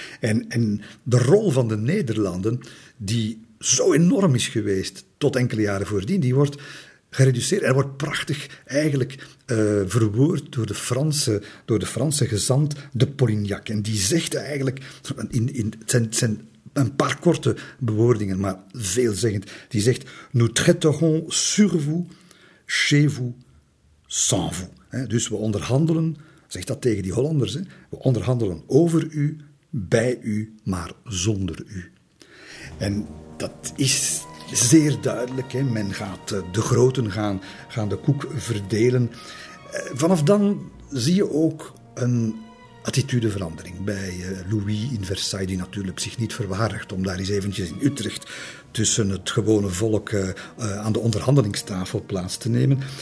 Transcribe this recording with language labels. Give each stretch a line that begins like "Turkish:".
Dutch: En de rol van de Nederlanden, die zo enorm is geweest tot enkele jaren voordien, die wordt gereduceerd. Er wordt prachtig eigenlijk verwoord door de Franse gezant de Polignac. En die zegt eigenlijk, het zijn een paar korte bewoordingen, maar veelzeggend. Die zegt:
French: nous traiterons sur vous, chez vous, sans vous.
Dutch: He, dus we onderhandelen, zegt dat tegen die Hollanders, he, we onderhandelen over u, bij u, maar zonder u. En dat is zeer duidelijk. He. Men gaat de groten gaan de koek verdelen. Vanaf dan zie je ook een attitudeverandering bij Louis in Versailles, die natuurlijk zich niet verwaardigt om daar eens eventjes in Utrecht tussen het gewone volk aan de onderhandelingstafel plaats te nemen.